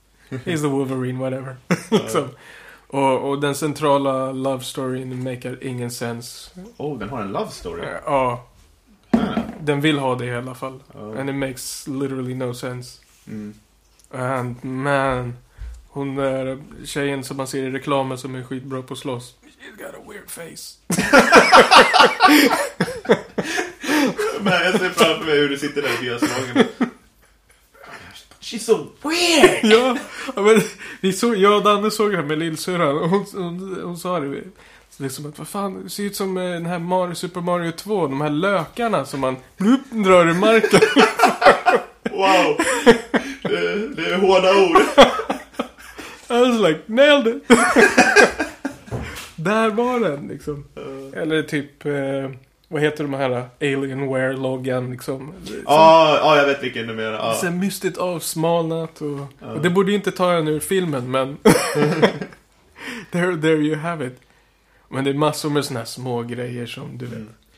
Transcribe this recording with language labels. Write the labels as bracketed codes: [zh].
[en] He's the Wolverine, whatever. [sv] Liksom. Och den centrala love storyn maker ingen sens. Oh, den har en love story? Ja. Den vill ha det i alla fall. Oh. [en] And it makes literally no sense. Mm. And man... [sv] Hon är tjejen som man ser i reklamen som är skitbra på slåss. [en] She's got a weird face. [sv] Men jag ser framför mig hur du sitter där i biaslagen. [en] She's so weird! [sv] Ja, men jag och Danne såg det här med lillsyrran. Och hon sa det. Liksom att, vad fan, det ser ut som den här Super Mario 2. De här lökarna som man drar i marken. Wow. Det är hårda ord. [en] I was like, nailed it! [sv] Där var den, liksom. eller typ vad heter de här Alienware-loggan liksom? Ja, jag vet vilken du menar. Ah. Det är så mystiskt avsmalnat och, och det borde ju inte ta en ur filmen, men [en] there you have it. [sv] Men det är massor med såna här små grejer som du vet.